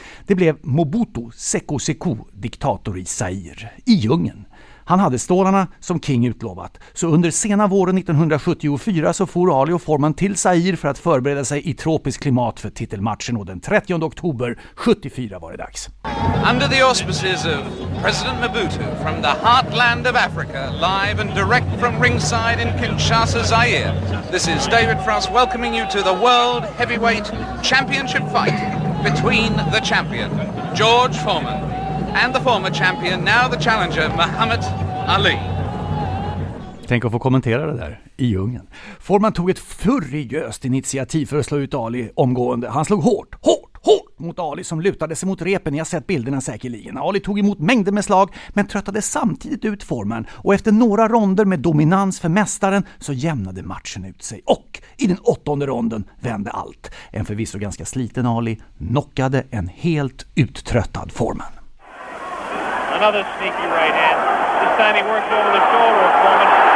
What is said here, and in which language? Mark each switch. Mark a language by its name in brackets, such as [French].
[Swedish] Det blev Mobutu Seko Seko, diktator i Zaire, i djungeln. Han hade stålarna som King utlovat. Så under sena våren 1974 så for Ali och Foreman till Zaire för att förbereda sig i tropisk klimat för titelmatchen, och den 30 oktober 1974 var det dags. [English] Under the auspices of President Mobutu from the heartland of Africa, live and direct from ringside in Kinshasa, Zaire. This is David Frost welcoming you to the World Heavyweight Championship fight between the champion, George Foreman, and the former champion, now the challenger, Muhammad Ali. [Swedish] Tänk att få kommentera det där i djungeln. Foreman tog ett furiöst initiativ för att slå ut Ali omgående. Han slog hårt, hårt, hårt mot Ali som lutade sig mot repen. Ni har sett bilderna säkerligen. Ali tog emot mängder med slag men tröttade samtidigt ut Foreman. Och efter några ronder med dominans för mästaren så jämnade matchen ut sig. Och i den åttonde ronden vände allt. En förvisso ganska sliten Ali knockade en helt uttröttad Foreman. [English] Another sneaky right hand. This time he works over the shoulder of Foreman.